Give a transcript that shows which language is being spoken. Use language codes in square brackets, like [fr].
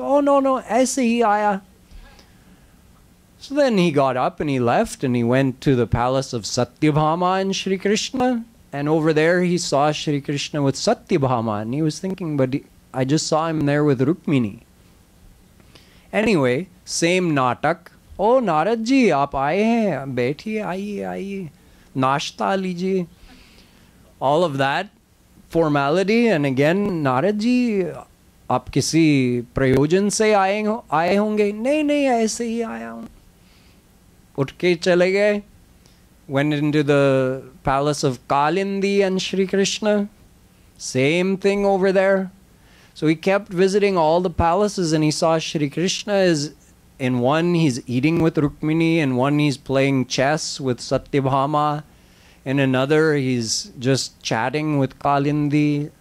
[en] Oh, no, no, [hi] aise hi aaya. [en] So then he got up and he left and he went to the palace of Satyabhama and Shri Krishna. And over there he saw Shri Krishna with Satyabhama and he was thinking, but I just saw him there with Rukmini. Anyway, same नाटक। [hi] Oh, Narad ji, आप आए हैं, बैठिए, आइए, आइए, नाश्ता लीजिए। [en] All of that formality, and again, [hi] Narad ji, आप किसी प्रयोजन से आए होंगे? नहीं, नहीं, ऐसे ही आया हूँ। Utke chale gaye, [en] went into the palace of Kalindi and Shri Krishna. Same thing over there. So he kept visiting all the palaces and he saw Shri Krishna is in one, he's eating with Rukmini, in one he's playing chess with Satyabhama, in another he's just chatting with Kalindi.